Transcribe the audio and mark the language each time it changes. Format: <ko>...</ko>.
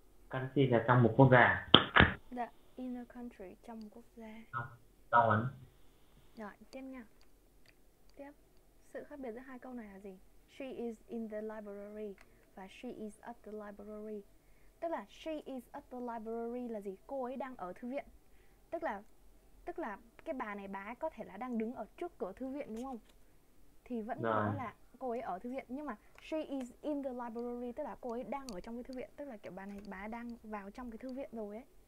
<vi>Canxi là trong một quốc gia. Dạ,</vi> <en>in a country,</en> <vi>trong một quốc gia. Sao Rồi, tiếp nha. Tiếp. Sự khác biệt giữa hai câu này là gì?</vi> <en>She is in the library</en> <vi>và</vi> <en>she is at the library.</en> <vi>Tức là</vi> <en>she is at the library</en> <vi>là gì? Cô ấy đang ở thư viện. Tức là cái bà này, bà ấy có thể là đang đứng ở trước cửa thư viện đúng không? Thì vẫn có rồi. là cô ấy ở thư viện, nhưng mà</vi> <en>she is in the library</en> <vi>tức là cô ấy đang ở trong cái thư viện, tức là kiểu bà này, bà ấy đang vào trong cái thư viện rồi ấy.</vi>